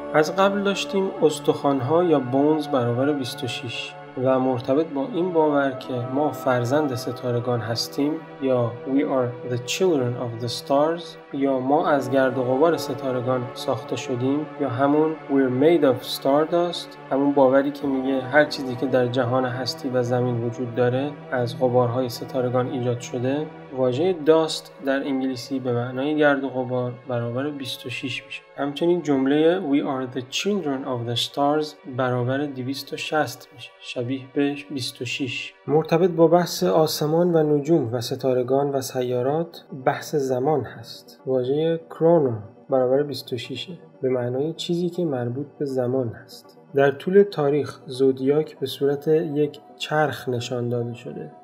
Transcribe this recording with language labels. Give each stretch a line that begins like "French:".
Persian: از قبل داشتیم استخوان‌ها یا بونز برابر 26 و مرتبط با این باور که ما فرزند ستارگان هستیم یا
English: We are the children of the stars
Persian: یا ما از گرد و غبار ستارگان ساخته شدیم یا همون
English: We are made of stardust،
Persian: همون باوری که میگه هر چیزی که در جهان هستی و زمین وجود داره از غبارهای ستارگان ایجاد شده، واژه داست در انگلیسی به معنای گرد و غبار برابر 26 میشه. همچنین جمله
English: We are the children of the stars
Persian: برابر 260 میشه، شبیه به 26. مرتبط با بحث آسمان و نجوم و ستارگان و سیارات، بحث زمان هست. واژه کرونو برابر 26 به معنای چیزی که مربوط به زمان هست. در طول تاریخ زودیاک به صورت یک چرخ نشان داده شده.